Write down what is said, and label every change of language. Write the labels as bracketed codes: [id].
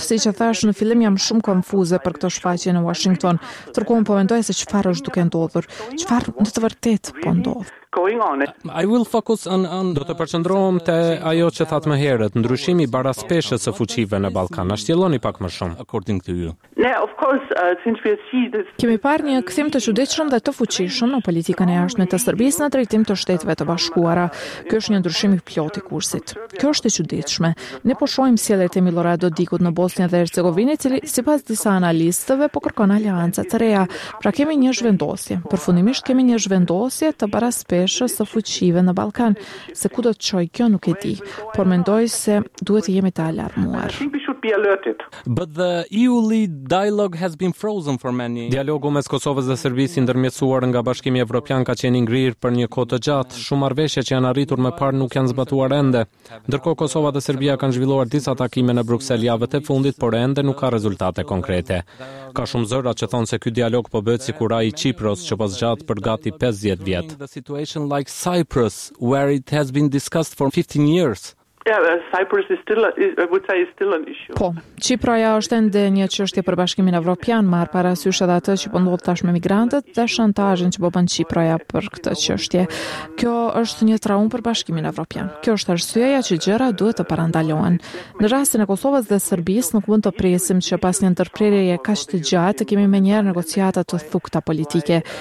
[sq] Si që thash, në fillim jam shumë konfuze për këtë shfaqje në Washington, tërkohë po mendoj se çfarë është duke ndodhur, çfarë në të vërtetë po ndodh. [en] I will focus on [sq] do të përqendrohem te ajo që that më herët, ndryshimi i baraspeshës së fuqive në Ballkan. Na shtjelloni pak më shumë. [en] According to you. Of course, since we see this. [sq] Kemi parë një kthim të çuditshëm dhe të fuqishëm në politikën e jashtme të Serbisë në drejtim të Shteteve të Bashkuara. Ky është një ndryshim i plotë i kursit. Kjo është e çuditshme. Ne po shohim sjelljet e Milorad Dodikut në Bosnjë dhe Hercegovinë, i cili sipas disa analistëve po kërkon aleanca të reja. Pra kemi një zhvendosje. Përfundimisht kemi një zhvendosje të baraspeshës së fuqive në Ballkan. Se ku do të çojë kjo nuk e di, por mendoj se duhet të jemi të alarmuar. [en] But the EU-led dialogue has been frozen for many. [sq] Dialogu mes Kosovës dhe Serbisë ndërmjetësuar nga Bashkimi Evropian ka qenë i ngrirë për një kohë të gjatë. Shumë marrëveshje që janë arritur më parë nuk janë zbatuar ende. Ndërkohë Kosova dhe Serbia kanë zhvilluar disa takime në Bruksel javët e fundit, por ende nuk ka rezultate konkrete. Ka shumë zëra që thonë se ky dialog po bëhet sikur ai i Kipros, që po zgjat për gati 50 vjet. [en] Situation like Cyprus where it has been discussed for 15 years. Cyprus is still an issue. [sq] Po, Qipraja është ende një çështje për Bashkimin Evropian, marr parasysh edhe atë që po ndodh tash me migrantët dhe shantazhin që bën Qipraja për këtë çështje. Kjo është një traumë për Bashkimin Evropian. Kjo është arsyeja që gjëra duhet të parandalohen. Në rastin e Kosovës dhe Serbisë nuk mund të presim që pas një ndërprerje kaq të gjatë të kemi menjëherë negociata të thukta politike.